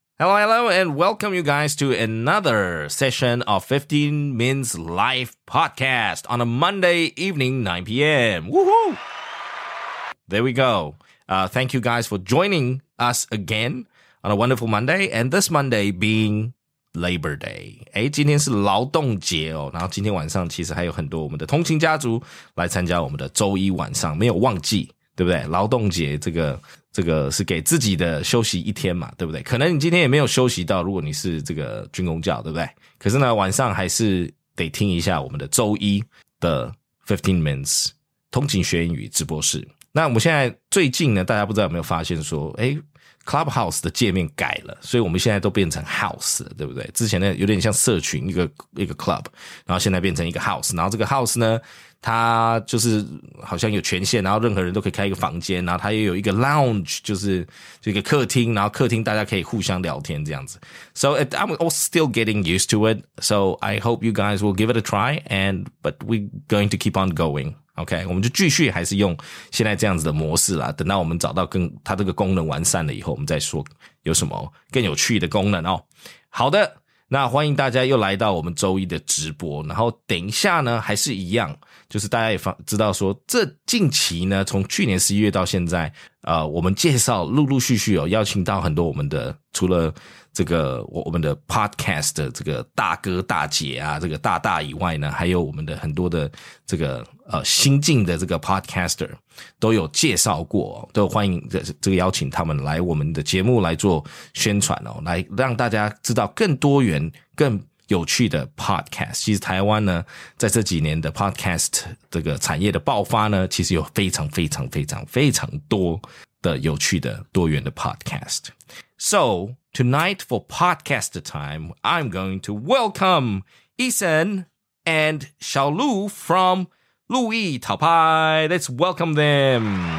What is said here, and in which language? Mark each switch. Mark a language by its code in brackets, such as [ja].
[en] Hello, hello, and welcome you guys to another session of 15 Min's Life Podcast on a Monday evening, 9 p.m. Woohoo! There we go. Thank you guys for joining us again on a wonderful Monday, and this Monday being Labor Day. [zh] 诶，今天是劳动节哦，然后今天晚上其实还有很多我们的通勤家族来参加我们的周一晚上，没有忘记，对不对？劳动节这个是给自己的休息一天嘛，对不对？可能你今天也没有休息到，如果你是这个军公教，对不对？可是呢，晚上还是得听一下我们的周一的 15 Minutes 通勤学英语直播室。那我们现在最近呢，大家不知道有没有发现说，诶， Clubhouse 的界面改了，所以我们现在都变成 House 了，对不对？之前呢有点像社群一个 Club， 然后现在变成一个 House， 然后这个 House 呢他就是好像有权限，然后任何人都可以开一个房间，然后他也有一个 lounge， 就一个客厅，然后客厅大家可以互相聊天这样子。 [en] So I'm still getting used to it. So I hope you guys will give it a try. But we're going to keep on going. [zh] OK， 我们就继续还是用现在这样子的模式啦。等到我们找到更他这个功能完善了以后，我们再说有什么更有趣的功能哦。好的，那欢迎大家又来到我们周一的直播。然后等一下呢，还是一样。就是大家也知道说这近期呢从去年11月到现在我们介绍陆陆续续有邀请到很多我们的除了这个我们的 podcast 的这个大哥大姐啊这个大大以外呢还有我们的很多的这个新进的这个 podcaster 都有介绍过都欢迎这个邀请他们来我们的节目来做宣传哦来让大家知道更多元更有趣的 podcast， 其实台湾呢，在这几年的 podcast 这个产业的爆发呢，其实有非常非常非常非常多的有趣的多元的 podcast。 [en] So tonight for podcast time, I'm going to welcome Ethan and Xiao Lu from 陆毅讨拍 Let's welcome them.